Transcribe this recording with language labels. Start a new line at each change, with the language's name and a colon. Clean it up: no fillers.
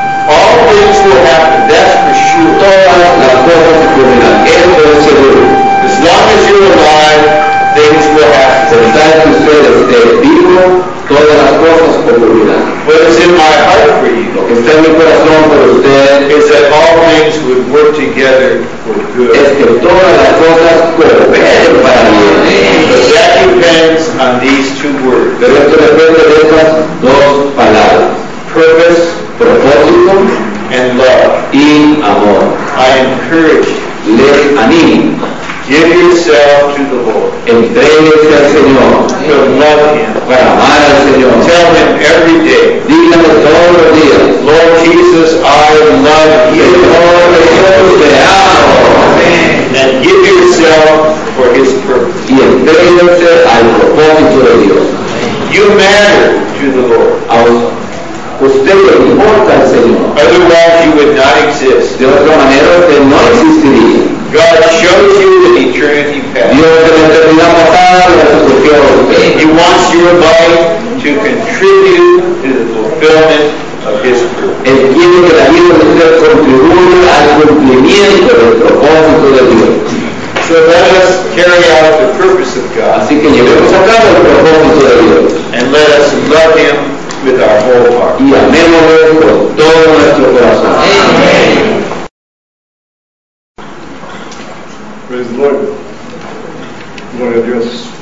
English: All things will happen, that's for sure.
Spanish: Todas las cosas ocurrirán, eso es seguro.
English: As long as you're alive, things will happen.
Spanish: Se sabe que usted esté vivo, todas las cosas ocurrirán.
English: What is in my heart for you?
Spanish: Lo que está en mi corazón para usted
English: is that all things would work together for good.
Spanish: Es que todas las cosas cooperen para bien.
English: But that depends on these two words.
Spanish: Pero esto depende de estas dos palabras.
English: Purpose.
Spanish: Propósito
English: and love.
Spanish: Y amor.
English: I encourage you.
Spanish: Les animo.
English: Give yourself to the Lord.
Spanish: Entréguese al Señor.
English: To love Him.
Spanish: Para amar al Señor.
English: Tell Him every day.
Spanish: Dígale todos los días.
English: Lord Jesus, I love you.
Spanish: Señor Jesús, te amo.
English: Amen. And give yourself for His purpose.
Spanish: Y entréguese al propósito de Dios.
English: You matter to the Lord.
Spanish: Usted le importa al Señor.
English: Otherwise you would not exist.
Spanish: De otra manera usted no existiría.
English: God shows you the eternity path.
Spanish: Dios de la eternidad pasada le escogió a usted.
English: He wants your life to contribute to the fulfillment of His purpose.
Spanish: Él quiere que la vida de usted contribuya al cumplimiento del propósito de Dios.
English: So let us carry out the purpose of God.
Spanish: Así que llevemos a cabo el propósito de Dios.
English: And let us love Him with our whole heart.
Spanish: Y amémoslo con todo nuestro corazón.
English: Amen. Praise the Lord.
Spanish: Gloria a Dios.